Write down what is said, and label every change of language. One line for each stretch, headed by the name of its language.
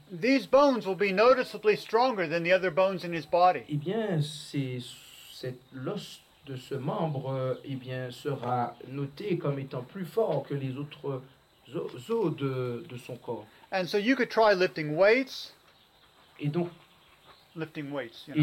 English: These bones will be noticeably stronger than the other bones in his body.
French: Eh bien, cet os de ce membre, eh bien, sera noté comme étant plus fort que les autres os de son corps.
English: And so you could try lifting weights.
French: Et donc,
English: lifting weights, you know.